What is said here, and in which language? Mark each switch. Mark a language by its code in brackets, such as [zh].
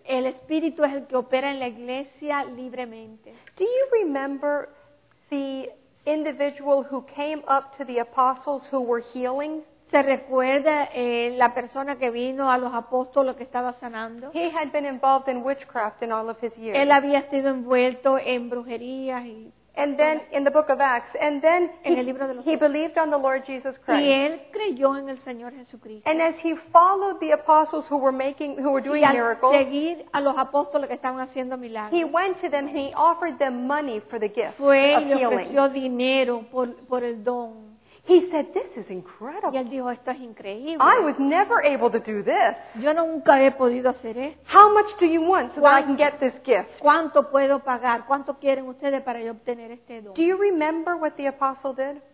[es] El espíritu es el que opera en la iglesia libremente. [en] Do you remember the individual who came up to the apostles who were healing? [es] ¿Se recuerda la persona que vino a los apóstoles que estaba sanando? [en] He had been involved in witchcraft in all of his years. [es] Él había estado envuelto en brujerías y [en] And then in the book of Acts, and then he believed on the Lord Jesus Christ. [es] Y él creyó en el Señor Jesucristo. [en] And as he followed the apostles who were doing miracles, [es] y al seguir a los apóstoles que estaban haciendo milagros, [en] he went to them and he offered them money for the gift. [es] Fue [en] of [es] y [en] healing. [es] Ofreció dinero por el don. [en] He said, "This is incredible." [es] Y él dijo, esto es increíble. [en] I was never able to do this. [es] Yo nunca he podido hacer esto. [en] How much do you want so that I can get this gift? [es] ¿Cuánto puedo pagar? ¿Cuánto quieren ustedes para yo obtener este don? [en] Do you remember what the apostle did?